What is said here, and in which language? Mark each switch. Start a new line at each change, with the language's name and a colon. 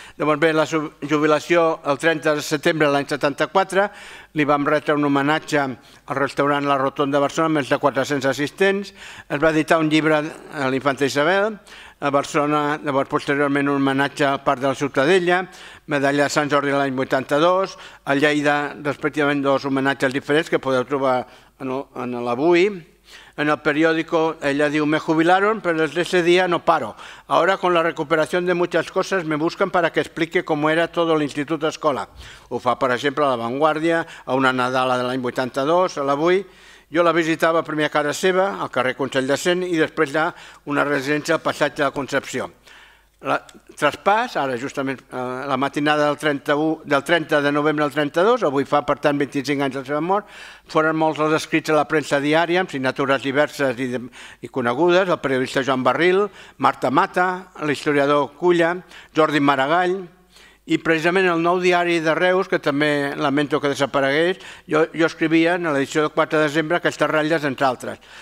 Catalan: Llavors bé, la jubilació el 30 de setembre de l'any 74, li vam retre un homenatge al restaurant La Rotonda de Barcelona, més de 400 assistents. Es va editar un llibre a l'Infanta Isabel, a Barcelona, llavors posteriorment un homenatge al Parc de la Ciutadella, medalla de Sant Jordi l'any 82, a Lleida, respectivament, dos homenatges diferents que podeu trobar en l'Avui.
Spanish: En el periódico ella
Catalan: diu:
Spanish: me jubilaron, pero desde ese día no paro. Ahora, con la recuperación de muchas cosas, me buscan para que explique cómo era todo el Instituto Escola.
Catalan: Ho fa, per exemple, a La Vanguardia, a una Nadala de l'any 82, a l'Avui. Jo la visitava a primera casa seva, al carrer Consell de Cent, i després ja una residència al passatge de Concepció. Traspàs, ara justament la matinada del 30 de novembre del 32, avui fa per tant 25 anys de la seva mort, foren molts els escrits a la premsa diària amb signatures diverses i conegudes, el periodista Joan Barril, Marta Mata, l'historiador Culla, Jordi Maragall i precisament el nou diari de Reus, que també lamento que desaparegués, jo escrivia en l'edició del 4 de desembre aquestes ratlles entre altres.